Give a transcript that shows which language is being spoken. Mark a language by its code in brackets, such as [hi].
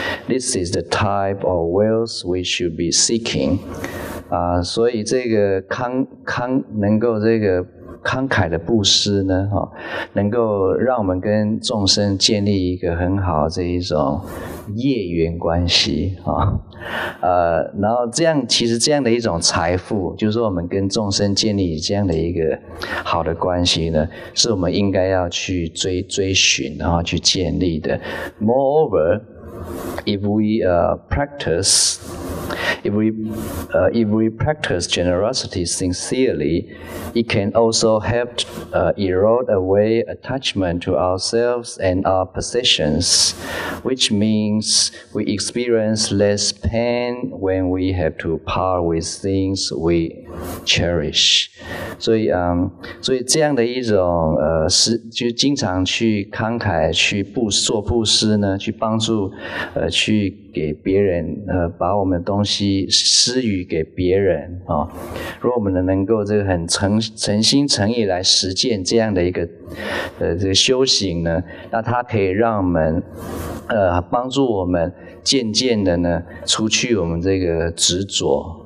[en] This is the type of wealth we should be seeking. [zh] 所以这个慷能够这个慷慨的布施呢，能够让我们跟众生建立一个很好的这一种业缘关系啊。然后这样，其实这样的一种财富，就是说我们跟众生建立这样的一个好的关系呢，是我们应该要去追寻，然后去建立的。 [en] Moreover, if we practice generosity sincerely, it can also help erode away attachment to ourselves and our possessions, which means we experience less pain when we have to part with things we cherish. [zh] 所以这样的一种就经常去慷慨去做布施呢，去帮助去给别人把我们的东西施予给别人啊，如果我们能够这个很诚心诚意来实践这样的一个这个修行呢，那它可以让我们帮助我们渐渐的呢除去我们这个执着。